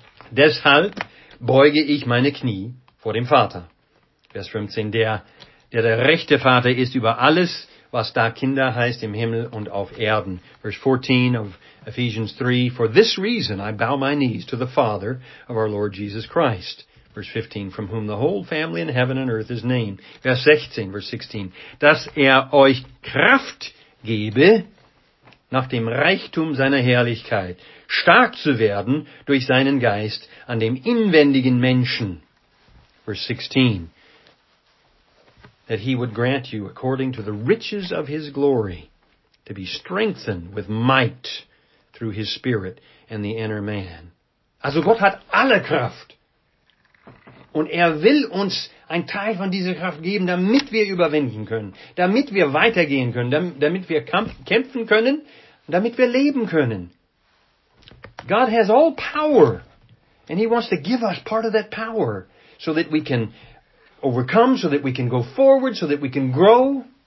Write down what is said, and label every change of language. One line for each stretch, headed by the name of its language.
German: Deshalb beuge ich meine Knie vor dem Vater. Vers 15. Der rechte Vater ist über alles, was da Kinder heißt, im Himmel und auf Erden.
English: Verse 14 of Ephesians 3. For this reason I bow my knees to the Father of our Lord Jesus Christ. Verse 15. From whom the whole family in heaven and earth is named.
German: Vers 16,
English: verse 16.
German: Dass euch Kraft gebe, nach dem Reichtum seiner Herrlichkeit, stark zu werden durch seinen Geist an dem inwendigen Menschen.
English: Verse 16. That he would grant you, according to the riches of his glory, to be strengthened with might through his spirit and the inner man.
German: Also Gott hat alle Kraft. Und will uns ein Teil von dieser Kraft geben, damit wir überwinden können, damit wir weitergehen können, damit wir kämpfen können, damit wir leben können.
English: God has all power. And he wants to give us part of that power so that we can overcome, so that we can go forward, so that we can grow.